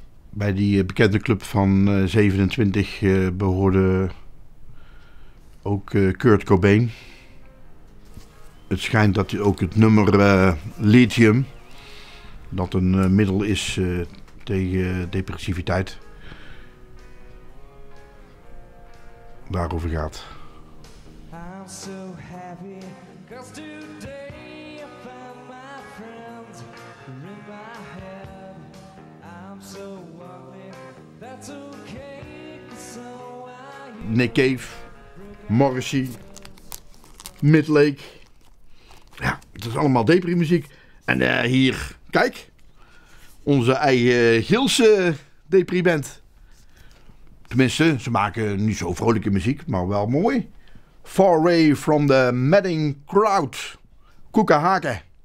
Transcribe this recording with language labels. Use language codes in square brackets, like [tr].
[nl] Bij die bekende club van 27 behoorde ook Kurt Cobain. Het schijnt dat hij ook het nummer Lithium, dat een middel is tegen depressiviteit, daarover gaat. [en] I'm so happy, cause today I found my friends in my head. I'm so lonely, that's okay, so I... [nl] Nick Cave, Morrissey, Midlake. Ja, het is allemaal deprimuziek. En hier, kijk, onze eigen Gielse depriband. Tenminste, ze maken niet zo vrolijke muziek, maar wel mooi. Far Away from the Madding Crowd. Koekenhaken.